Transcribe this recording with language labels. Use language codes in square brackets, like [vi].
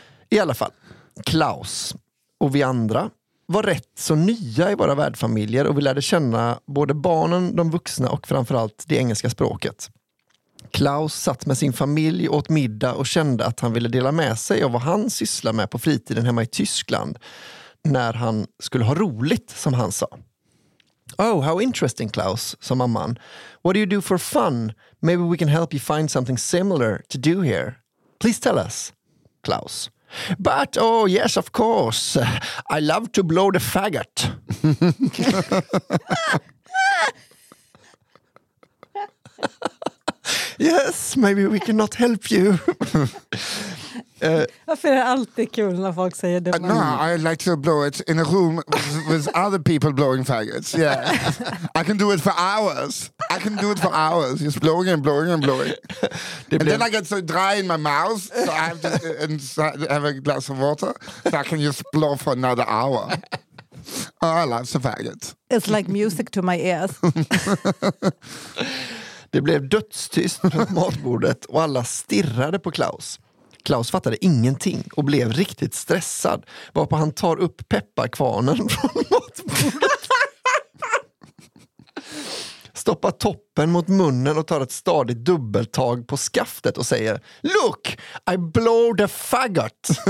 [sv] I alla fall, Klaus och vi andra var rätt så nya i våra värdfamiljer och vi lärde känna både barnen, de vuxna och framförallt det engelska språket. Klaus satt med sin familj och åt middag och kände att han ville dela med sig av vad han sysslar med på fritiden hemma i Tyskland när han skulle ha roligt, som han sa. [en] Oh, how interesting, Klaus, [sv] sa mamman. [en] What do you do for fun? Maybe we can help you find something similar to do here. Please tell us, Klaus. But, oh yes, of course, I love to blow the faggot. Yes, maybe we cannot help you. [sv] Varför är det alltid kul när folk säger det? [en] No, I like to blow it in a room with other people blowing faggots. Yeah, I can do it for hours. I can do it for hours. Just blowing and blowing and blowing. And then I get so dry in my mouth, so I have to have a glass of water, so I can just blow for another hour. Oh, I love the faggot. It's like music to my ears. [sv] Det blev dödstyst på matbordet och alla stirrade på Klaus. Klaus fattade ingenting och blev riktigt stressad, varpå han tar upp pepparkvarnen från matbordet. Stoppar toppen mot munnen och tar ett stadigt dubbeltag på skaftet och säger: [en] "Look, I blow the faggot.